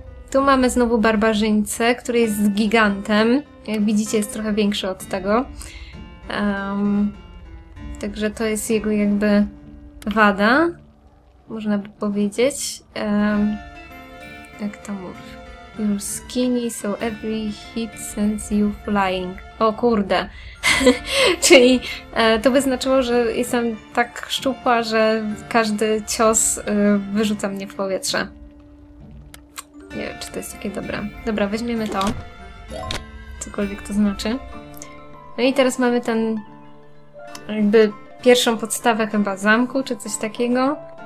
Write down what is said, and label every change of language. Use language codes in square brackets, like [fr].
[pl] Tu mamy znowu barbarzyńcę, który jest gigantem. Jak widzicie, jest trochę większy od tego. Także to jest jego jakby wada, można by powiedzieć. Jak to mówi? [en] You're skinny, so every hit sends you flying. [pl] O kurde! Czyli to by znaczyło, że jestem tak szczupła, że każdy cios wyrzuca mnie w powietrze. Nie wiem, czy to jest takie dobre. Dobra, weźmiemy to. Cokolwiek to znaczy. No i teraz mamy ten... jakby pierwszą podstawę chyba zamku, czy coś takiego.